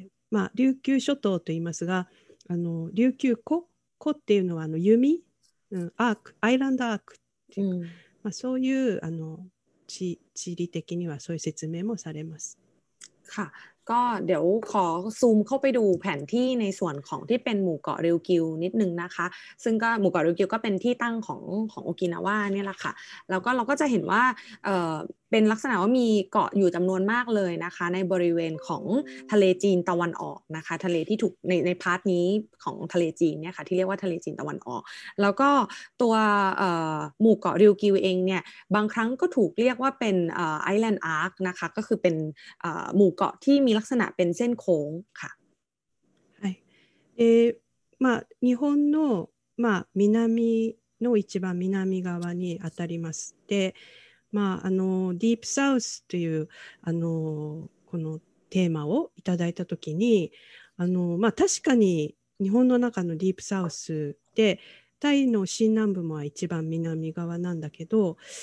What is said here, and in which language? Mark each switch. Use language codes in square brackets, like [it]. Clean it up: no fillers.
[ja] まあ、琉球諸島と言いますが琉球湖湖っていうのは弓、うん、アーク、アイランドアークっていう、うん、まあ、そういう地理的にはそういう説明もされます。はい。 [th] ก็เดี๋ยวขอซูมเข้าไปดูแผนที่ในส่วนของที่เป็นหมู่เกาะริวกิวนิดนึงนะคะซึ่งก็หมู่เกาะริวกิวก็เป็นที่ตั้งของโอกินาวะนี่แหละค่ะแล้วก็เราก็จะเห็นว่า เป็นลักษณะว่ามีเกาะอยู่จำนวนมากเลยนะคะในบริเวณของทะเลจีนตะวันออกนะคะทะเลที่ถูกในพาร์ทนี้ของทะเลจีนเนี่ยค่ะที่เรียกว่าทะเลจีนตะวันออกแล้วก็ตัวหมู่เกาะริวกิวเองเนี่ยบางครั้งก็ถูกเรียกว่าเป็นไอแลนด์อาร์คนะคะก็คือเป็นหมู่เกาะที่มีลักษณะเป็นเส้นโค้งค่ะ ใช่ [ja] まあ日本のまあ南の一番南側に当たります。でまあ、あのディープサウスというあのこのテーマをいただいたときにあの、まあ、確かに日本の中のディープサウスでタイの新南部も一番南側なんだけど、